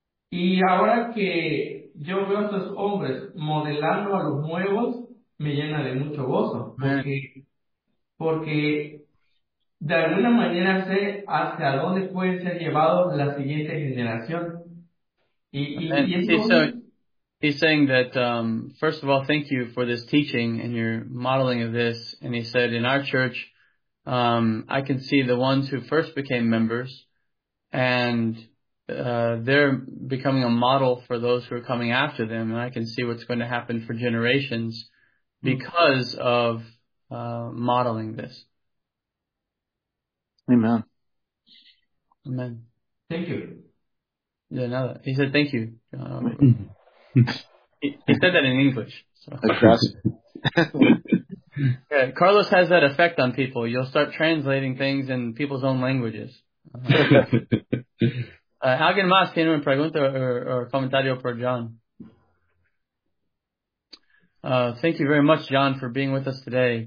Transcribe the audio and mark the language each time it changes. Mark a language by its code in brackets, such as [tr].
[es] Y ahora que yo veo a estos hombres modelando a los nuevos, me llena de mucho gozo, porque de alguna manera sé hacia dónde pueden ser llevados la siguiente generación. [en] He's saying that, first of all, thank you for this teaching and your modeling of this. And he said, in our church, I can see the ones who first became members, and they're becoming a model for those who are coming after them. And I can see what's going to happen for generations because of modeling this. Amen. Amen. Thank you. Yeah, now that, he said, thank you. He said that in English. So. Yeah, Carlos has that effect on people. You'll start translating things in people's own languages. [es] ¿Alguien más tiene una pregunta o comentario por John? [en] Thank you very much, John, for being with us today.